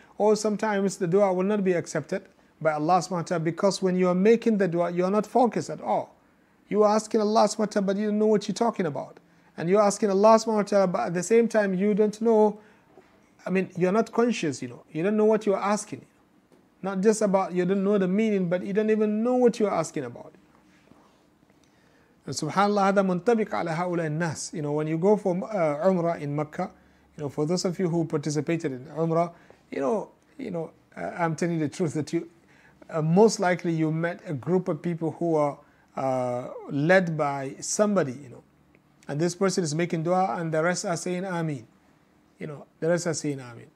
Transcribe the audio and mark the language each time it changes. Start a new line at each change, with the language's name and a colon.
English: Or sometimes the dua will not be accepted by Allah subhanahu wa ta'ala, because when you are making the dua, you are not focused at all. You are asking Allah subhanahu wa ta'ala, but you don't know what you're talking about. And you're asking Allah subhanahu wa ta'ala, but at the same time, you don't know, I mean, you're not conscious, you know. You don't know what you're asking. Not just about you don't know the meaning, but you don't even know what you're asking about. And subhanAllah,
Arabic: هذا منطبق على هؤلاء الناس.
English: You know, when you go for Umrah in Mecca, you know, for those of you who participated in Umrah, you know, I'm telling you the truth, that most likely you met a group of people who are led by somebody, you know. And this person is making dua and the rest are saying Ameen. You know, the rest are saying Ameen.